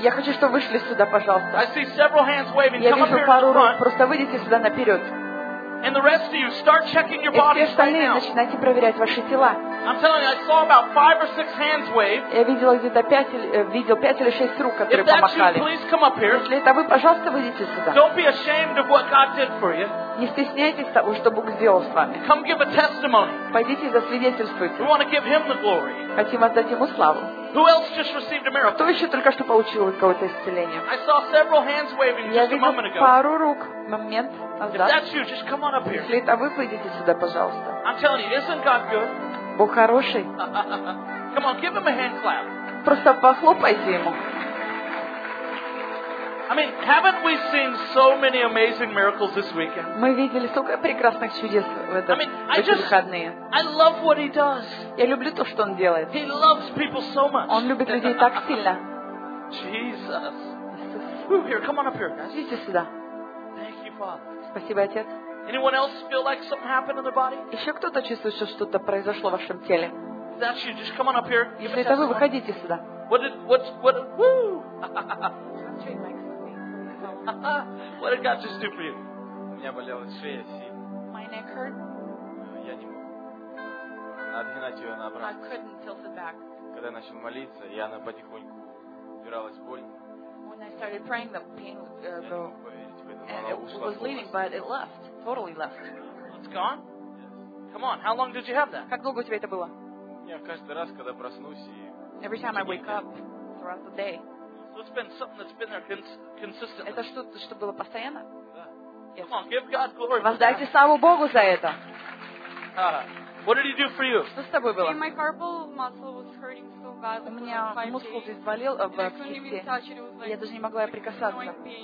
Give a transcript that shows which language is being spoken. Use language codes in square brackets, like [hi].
[ru] Я хочу, чтобы вышли сюда, пожалуйста. [en] I see several hands waving. [ru] Я вижу пару рук. Просто выйдите сюда наперед. [en] And the rest of you, start checking your bodies right now. [ru] И все остальные начинайте проверять ваши тела. [en] I'm telling you, I saw about 5 or 6 hands wave. [ru] Я видел где-то пять или шесть рук, которые помахали. [en] If that's you, please come up here. [ru] Если это вы, пожалуйста, выйдите сюда. [en] Don't be ashamed of what God did for you. [ru] Не стесняйтесь того, что Бог сделал с вами. [en] Come give a testimony. [ru] Пойдите и засвидетельствуйте. [en] We want to give Him the glory. [ru] Хотим отдать Ему славу. [en] Who else just received a miracle? [ru] Кто еще только что получил какое-то исцеление? [en] I saw several hands waving just a moment ago. [ru] Я видел пару рук момент назад. [en] If that's you, just come on up here. [ru] Если это вы, выйдите сюда, пожалуйста. [en] I'm telling you, isn't God good? [ru] Бог хороший. [en] Come on, give him a hand clap. [ru] Просто похлопайте ему. [en] I mean, haven't we seen so many amazing miracles this weekend? [ru] Мы видели столько прекрасных чудес в эти выходные. [en] I love what he does. [ru] Я люблю то, что он делает. [en] He loves people so much. [ru] Он любит людей так сильно. [en] Jesus. Ooh, here, come on up here, guys. [ru] Идите сюда. [en] Thank you, Father. [ru] Спасибо, Отец. [en] Anyone else feel like something happened in their body? [ru] Еще кто-то чувствует, что что-то произошло в вашем теле? [en] If that's you, just come on up here. [ru] Если это вы, выходите сюда. [en] What? Woo! What did God just do for you? [ru] У меня болела шея сильно. [en] My neck hurt. [ru] Я не мог. Надо гнать ее обратно. [en] I couldn't tilt it back. [ru] Когда я начал молиться, и она потихоньку убиралась боль. [en] When I started praying, the pain would go. And it was leaving, but it left. Totally left. It's gone? Yes. Come on, how long did you have that? [ru] Как долго у тебя это было? Каждый раз, когда проснусь и... [en] Every time I wake up throughout the day. So it's been something that's been there consistently. [ru] Это что-то, что было постоянно? [en] Yes. Come on, give God glory. [ru] Воздайте славу Богу за это. [en] What did he do for you? [ru] Что с тобой было? [en] My carpal muscle was hurting so bad. [ru] У меня мускул здесь болел в кисти. Я даже не могла прикасаться.